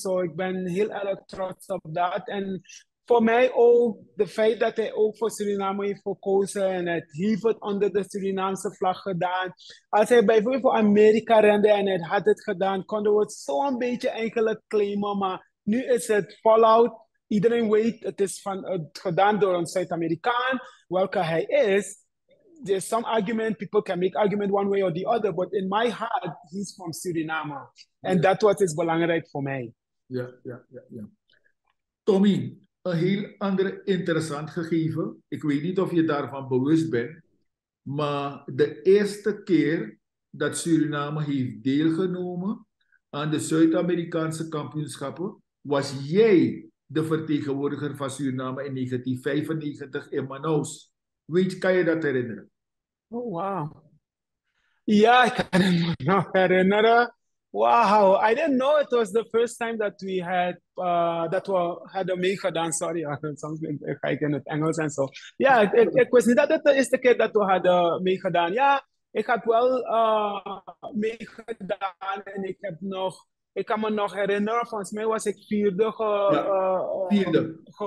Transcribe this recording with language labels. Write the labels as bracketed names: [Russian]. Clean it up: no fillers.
[Dutch] So ik ben heel erg trots op dat. En voor mij ook, de feit dat hij ook voor Suriname heeft gekozen en het heeft het onder de Surinaamse vlag gedaan. Als hij bijvoorbeeld voor Amerika rende en het had het gedaan, konden we het zo'n beetje enkele claimen. Maar nu is het fallout. Iedereen weet, het is gedaan door een Zuid-Amerikaan, welke hij is. [English] There's some argument, people can make argument one way or the other, but in my heart, he's from Suriname. And that was his [Dutch] belangrijk voor mij. Ja. Tommy, een heel ander interessant gegeven. Ik weet niet of je daarvan bewust bent, maar de eerste keer dat Suriname heeft deelgenomen aan de Zuid-Amerikaanse kampioenschappen, was jij de vertegenwoordiger van Suriname in 1995 in Manaus. Kan je dat herinneren? Oh, wow. Ja, ik kan het me nog herinneren. [English] Wow, I didn't know it was the first time that we had [Dutch] meegedaan. Sorry, soms ga ik in het Engels en zo. Ja, ik wist niet dat het de eerste keer dat we hadden meegedaan. Ja, ik had wel meegedaan en ik heb nog... Ik kan me nog herinneren, volgens mij was ik vierde, vierde.